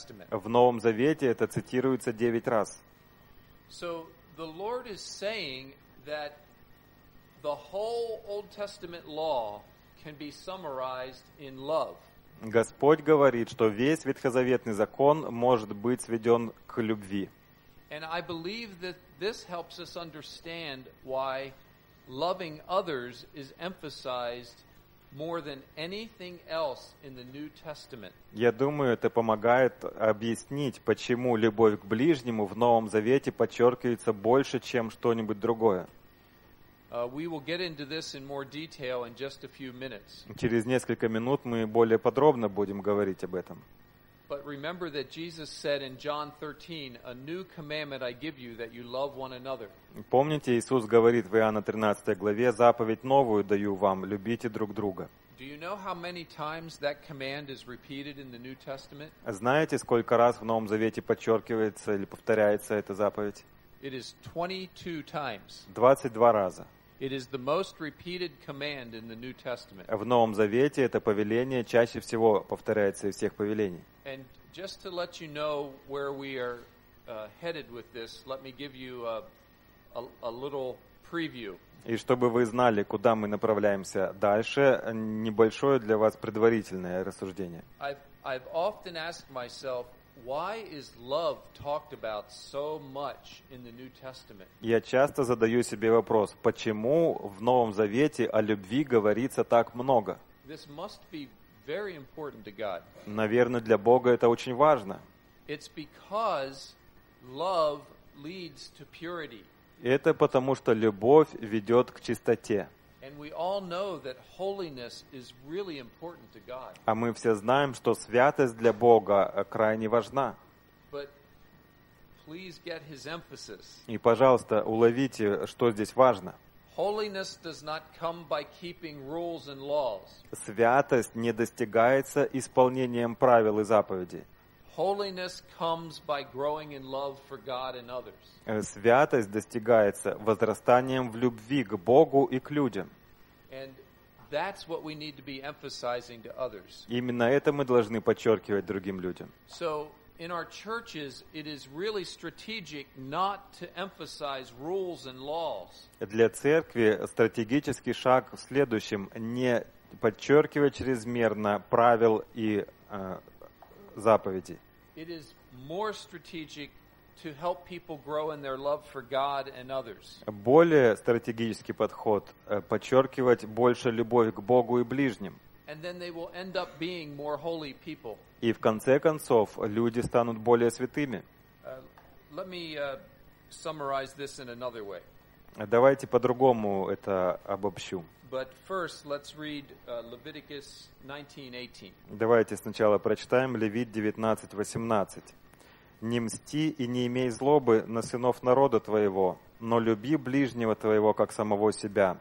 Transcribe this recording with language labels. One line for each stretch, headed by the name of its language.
Russian: В Новом Завете это цитируется 9 раз.
English: So the Lord is saying that the whole Old Testament law can be summarized in love.
Russian: Господь говорит, что весь ветхозаветный закон может быть сведен к любви.
English: And I believe that this helps us understand why loving others is emphasized more than anything else in the New Testament.
Russian: Я думаю, это помогает объяснить, почему любовь к ближнему в Новом Завете подчеркивается больше, чем что-нибудь другое.
English: We will get into this in more detail in just a few minutes.
Russian: Через несколько минут мы более подробно будем говорить об этом.
English: But remember that Jesus said in John 13, a new commandment I give you, that you love one another.
Russian: Помните, Иисус говорит в Иоанна 13 главе, заповедь новую даю вам, любите друг друга.
English: Do you know how many times that command is repeated in the New Testament?
Russian: Знаете, сколько раз в Новом Завете подчеркивается или повторяется эта заповедь?
English: It is 22 times.
Russian: 22 раза.
English: It is the most repeated command in the New Testament.
Russian: В Новом Завете это повеление чаще всего повторяется из всех повелений.
English: And just to let you know where we are headed with this, let me give you a little preview.
Russian: И чтобы вы знали, куда мы направляемся дальше, небольшое для вас предварительное рассуждение.
English: I've often asked myself, why is love talked about so much in the New Testament?
Russian: Я часто задаю себе вопрос, почему в Новом Завете о любви говорится так много?
English: This must be very important to God.
Russian: Наверное, для Бога это очень важно.
English: It's because love leads to purity.
Russian: Это потому, что любовь ведет к чистоте.
English: And we all know that holiness is really important to God.
Russian: А мы все знаем, что святость для Бога крайне важна.
English: But please get his emphasis.
Russian: И, пожалуйста, уловите, что здесь важно.
English: Holiness does not come by keeping rules and laws.
Russian: Святость не достигается исполнением правил и заповедей.
English: Holiness comes by growing in love for God and others.
Russian: Святость достигается возрастанием в любви к Богу и к людям.
English: And that's what we need to be emphasizing to others.
Russian: Именно это мы должны подчеркивать другим людям.
English: So in our churches, it is really strategic not to emphasize rules and laws.
Russian: Для церкви стратегический шаг в следующем: не подчеркивать чрезмерно правил и заповеди.
English: It is more strategic to help people grow in their love for God and others.
Russian: Более стратегический подход — подчеркивать больше любовь к Богу и ближним.
English: And then they will end up being more holy people.
Russian: И в конце концов люди станут более святыми.
English: Let me summarize this in another way.
Russian: Давайте по-другому это обобщу.
English: But first, let's read Leviticus 19:18.
Russian: Давайте сначала прочитаем Левит 19:18. «Не мсти и не имей злобы на сынов народа твоего, но люби ближнего твоего, как самого себя.